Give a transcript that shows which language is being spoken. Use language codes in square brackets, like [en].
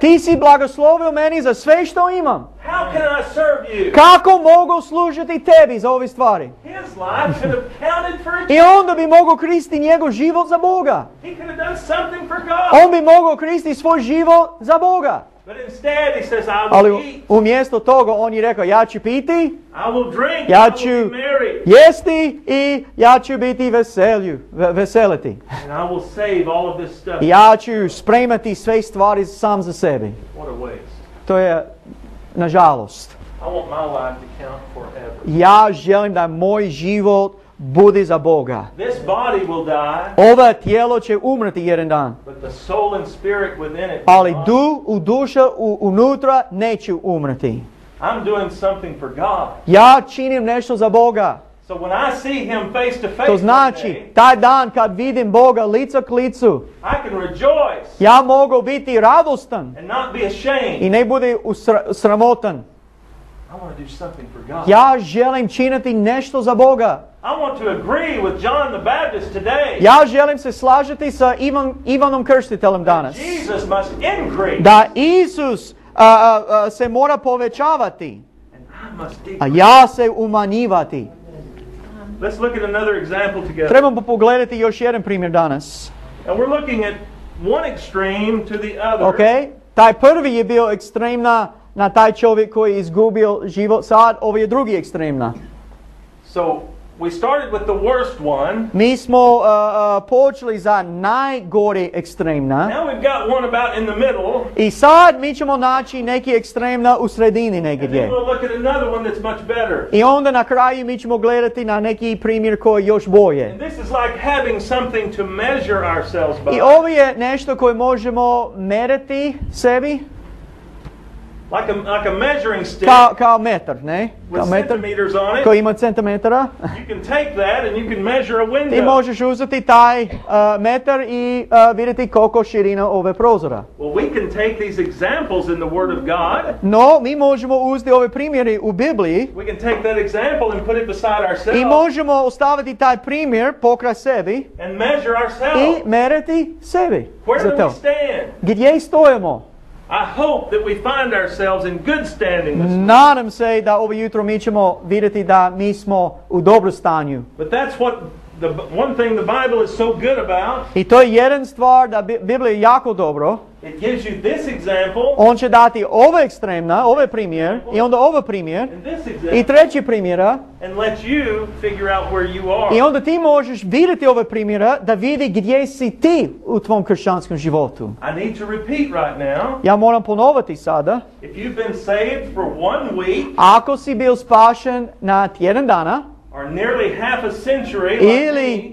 [hr] Ti si blagoslovio meni za sve što imam. [en] How can I serve you? [hr] Kako mogu služiti tebi za ove stvari? [en] His life should have counted for [hr] I onda bi mogao koristiti njegov život za Boga. [en] He could have done something for God. [hr] On bi mogao koristiti svoj život za Boga. [en] But instead he says, I will [hr] ali [en] eat. [hr] Umjesto toga on je rekao, ja ću piti, [en] I will drink, [hr] ja [en] I [hr] ću [en] will be merry. [hr] Jesti i ja ću biti veseliti. [en] And I will save all of this stuff. [hr] Ja ću spremati sve stvari sam za sebe. [en] What a waste. [hr] To je nažalost. [en] I want my life to count forever. [hr] Ja želim da moj život bude za Boga. [en] This body will die. [hr] Ovo tijelo će umrti jedan dan. [en] But the soul and spirit within it. [hr] Ali duša unutra neće umrti. [en] I'm doing something for God. [hr] Ja činim nešto za Boga. [en] So when I see him face to face. [hr] To znači taj dan kad vidim Boga lica k licu. [en] I can rejoice. [hr] Ja mogu biti radostan. [en] And not be ashamed. [hr] I ne bude sramotan. [en] I want to do something for God. [hr] Ja želim činiti nešto za Boga. [en] I want to agree with John the Baptist today. [hr] Ja želim se slažiti sa Ivanom Krstiteljem danas. [en] Jesus must increase. [hr] Da Isus se mora povećavati. A ja se umanjivati. [en] Let's look at another example together. [hr] Trebamo pogledati još jedan primjer danas. [en] And we're looking at one extreme to the other. [hr] Okay? Taj prvi je bio ekstremna na taj čovjek koji je izgubio život, sad ovo je drugi ekstremna. [en] So we started with the worst one. [hr] Mi smo počeli za najgori ekstremna. [en] Now we've got one about in the middle. [hr] I sad mi ćemo naći neki ekstremna u sredini negdje. [en] And then we'll look at another one that's much better. [hr] I onda na kraju mi ćemo gledati na neki primjer koji još bolje. [en] And this is like having something to measure ourselves by. [hr] I ovo je nešto koje možemo meriti sebi. [en] Like a measuring stick. [hr] Kao metar, ne? [en] With centimeters on it. [hr] Koji ima centimetara. [en] You can take that and you can measure a window. [hr] Ti možeš uzeti taj metar i vidjeti koliko širina ove prozora. [en] Well, we can take these examples in the Word of God. [hr] No, mi možemo uzeti ove primjere u Bibliji. [en] We can take that example and put it beside ourselves. [hr] I možemo ostaviti taj primjer pokraj sebi. [en] And measure ourselves. [hr] I meriti sebi. [en] Where do we stand? [hr] Gdje stojimo? [en] I hope that we find ourselves in good standing. [hr] Nadam se da ovo jutro mi ćemo vidjeti da mi smo u dobro stanju. [en] But that's what the one thing the Bible is so good about. [hr] I to je jedan stvar da Biblija je jako dobro. [en] It gives you this example. [hr] On će dati ovo ekstremna, ovaj primjer i onda ovo primjer. [en] And this example. [hr] I treći primjera. [en] And let you figure out where you are. [hr] I onda ti možeš vidjeti ove primjera da vidi gdje si ti u tvom kršćanskom životu. [en] I need to repeat right now. [hr] Ja moram ponoviti sada. [en] If you've been saved for one week. [hr] Ako si bio spašen na tjedan dana. [en] Or nearly half a century.